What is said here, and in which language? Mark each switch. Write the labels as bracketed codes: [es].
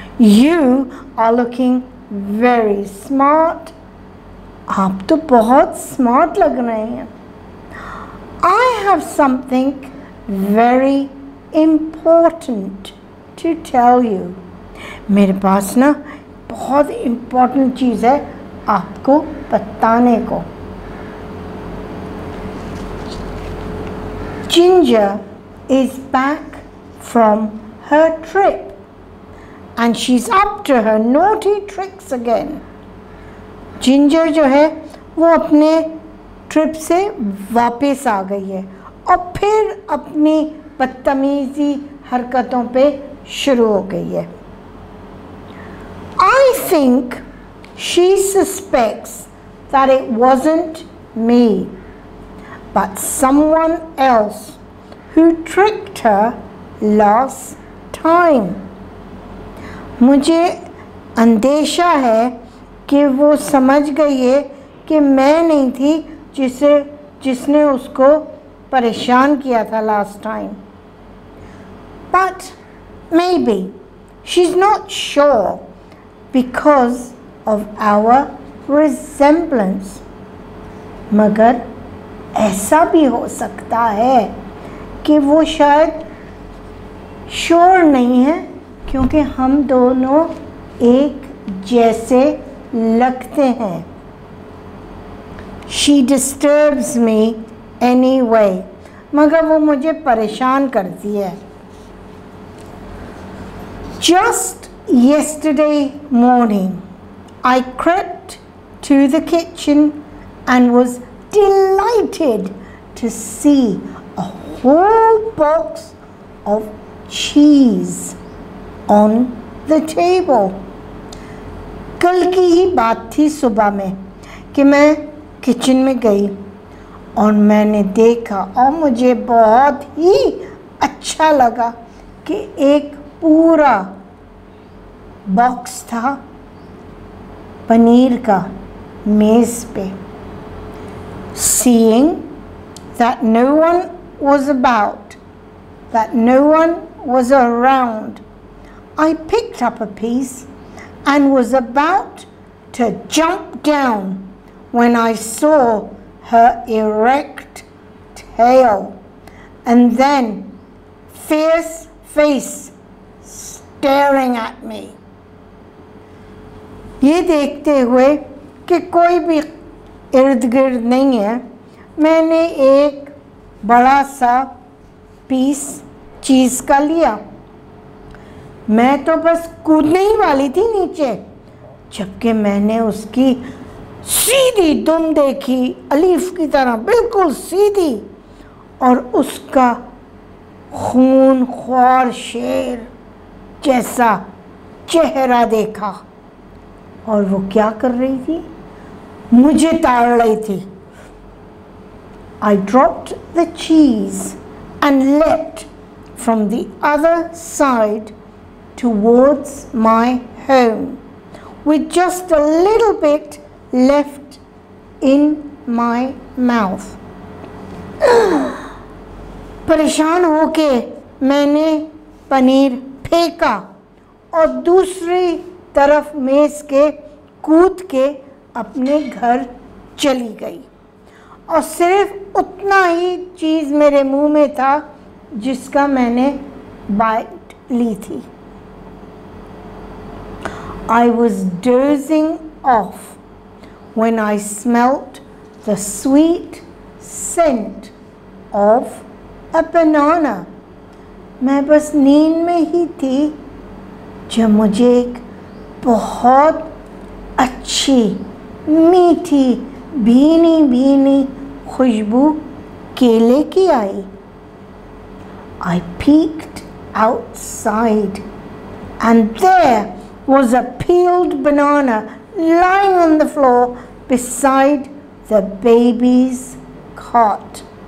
[en] You are looking very smart. [hi] Aap to bahut smart lag rahe hain. [en] I have something very important to tell you. [hi] मेरे पास ना बहुत important चीज़ है आपको बताने को. [en] Ginger is back from her trip and she's up to her naughty tricks again. [hi] Ginger जो है वो अपने ट्रिप से वापस आ गई है और फिर अपनी बदतमीजी हरकतों पे शुरू हो गई है. [en] I think she suspects that it wasn't me, but someone else who tricked her last time. [hi] मुझे अंदेशा है कि वो समझ गई है कि मैं नहीं थी जिसने उसको परेशान किया था [en] last time. But maybe she's not sure because of our resemblance. [hi] मगर ऐसा भी हो सकता है कि वो शायद श्योर नहीं है क्योंकि हम दोनों एक जैसे लगते हैं. [en] She disturbs me anyway. [hi] मगर वो मुझे परेशान करती है. [en] Just yesterday morning, I crept to the kitchen and was delighted to see a whole box of cheese on the table. [hi] कल की ही बात थी सुबह में कि मैं किचन में गई और मैंने देखा और मुझे बहुत ही अच्छा लगा कि एक पूरा बॉक्स था पनीर का मेज पे. [en] Seeing that no one was about, that no one was around, I picked up a piece and was about to jump down when I saw her erect tail and then fierce face staring at me. [hi] ये देखते हुए कि कोई भी इर्द गिर्द नहीं है मैंने एक बड़ा सा पीस चीज का लिया. मैं तो बस कूदने ही वाली थी नीचे जबकि मैंने उसकी सीधी दुम देखी अलीफ की तरह बिल्कुल सीधी और उसका खून खौर शेर जैसा चेहरा देखा. और वो क्या कर रही थी मुझे ताड़ रही थी. [en] I dropped the cheese and leapt from the other side towards my home with just a little bit left in my mouth. [hi] परेशान होके मैंने पनीर फेंका और दूसरी तरफ मेज के कूद के अपने घर चली गई और सिर्फ उतना ही चीज मेरे मुंह में था जिसका मैंने बाइट ली थी. [en] I was dozing off when I smelt the sweet scent of a banana. [hi] मैं बस नींद में ही थी जब मुझे एक बहुत अच्छी मीठी भीनी भीनी खुशबू केले की आई। [en] I peeked outside and there was a peeled banana lying on the floor beside the baby's cot.